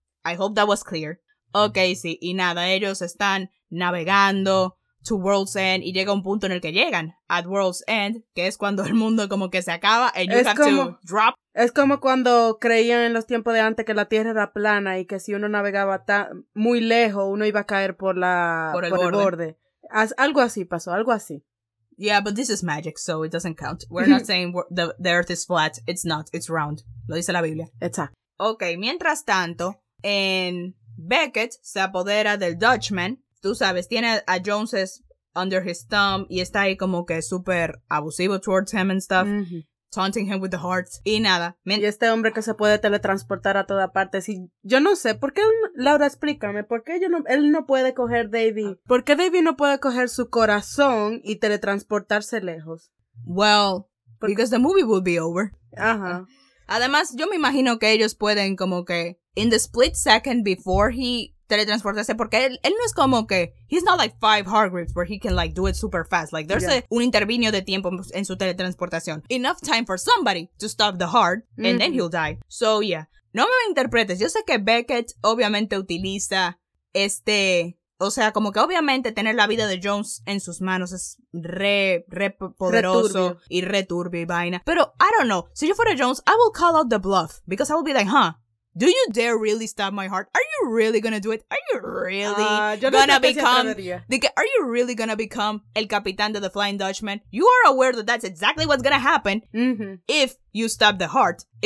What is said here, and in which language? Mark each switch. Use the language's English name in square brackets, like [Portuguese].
[English] I hope that was clear. [Spanish] Ok, sí, y nada, ellos están navegando [English] to World's End [Spanish] y llega un punto en el que llegan [English] at World's End, [Spanish] que es cuando el mundo como que se acaba [English] and you [Spanish] es have como, [English] to drop. [Spanish] Es como cuando creían en los tiempos de antes que la Tierra era plana y que si uno navegaba muy lejos, uno iba a caer por el borde. Algo así pasó, algo así. [English] Yeah, but this is magic, so it doesn't count. We're not saying the Earth is flat. It's not, it's round. [Spanish] Lo dice la Biblia. Exacto. Ok, mientras tanto, en Beckett se apodera del Dutchman. Tú sabes, tiene a Jones [English] under his thumb [Spanish] y está ahí como que súper abusivo [English] towards him and stuff. Taunting him with the hearts. [Spanish] Y nada. Y este hombre que se puede teletransportar a toda parte. Si, yo no sé, ¿por qué? Laura, explícame. ¿Por qué él no puede coger Davy? ¿Por qué Davy no puede coger su corazón y teletransportarse lejos? [English] Well, because the movie will be over. [Spanish] Ajá. Además, yo me imagino que ellos pueden como que [English] in the split second before he teletransportase, [Spanish] porque él no es como que [English] he's not like five Hargreaves where he can like do it super fast. Like, there's [Spanish] un intervino de tiempo en su teletransportación. [English] Enough time for somebody to stop the heart and then he'll die. So, yeah. [Spanish] No me interpretes. Yo sé que Beckett obviamente utiliza este, o sea, como que obviamente tener la vida de Jones en sus manos es re poderoso y re turbio y vaina. Pero, [English] I don't know. [Spanish] Si yo fuera Jones, [English] I will call out the bluff because I will be like, huh, do you dare really stab my heart? Are you really gonna do it? Are you really gonna become... are you really gonna become [Spanish] el capitán de [English] the Flying Dutchman? You are aware that that's exactly what's gonna happen if you stab the heart.